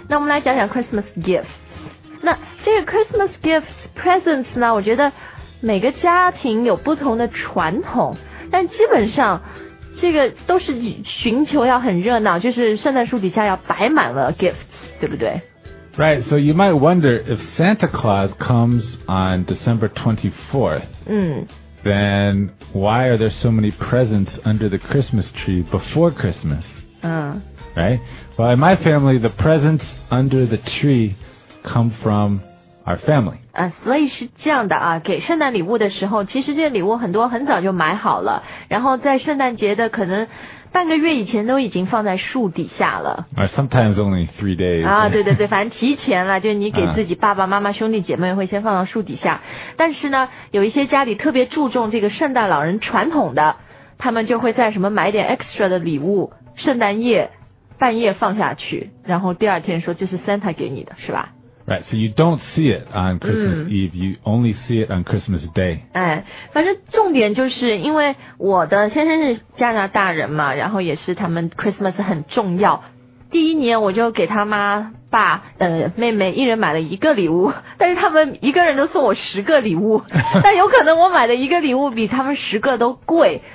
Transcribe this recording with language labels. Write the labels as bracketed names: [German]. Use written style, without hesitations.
[Chinese] 那我们来讲讲 Christmas gifts。那这个 Christmas gifts, presents 呢我觉得每个家庭有不同的传统但基本上这个都是寻求要很热闹就是圣诞树底下要摆满了 gifts, 对不对 [English] Right, so you might wonder if Santa Claus comes on December 24th, then why are there so many presents under the Christmas tree before Christmas? Right? Well, in my family, the presents under the tree come from our family. [Chinese] 所以是这样的啊，给圣诞礼物的时候，其实这些礼物很多很早就买好了，然后在圣诞节的可能半个月以前都已经放在树底下了。 [English] Sometimes only 3 days. [Chinese] 啊，对对对，反正提前了，就是你给自己爸爸妈妈、兄弟姐妹会先放到树底下。但是呢，有一些家里特别注重这个圣诞老人传统的，他们就会在什么买点 extra 的礼物，圣诞夜半夜放下去，然后第二天说这是 Santa 给你的，是吧？ [English] Right, so you don't see it on Christmas Eve, you only see it on Christmas Day. [Chinese] 哎，反正重点就是因为我的先生是加拿大人嘛，然后也是他们 Christmas 很重要。第一年我就给他妈爸妹妹一人买了一个礼物，但是他们一个人都送我十个礼物，但有可能我买的一个礼物比他们十个都贵。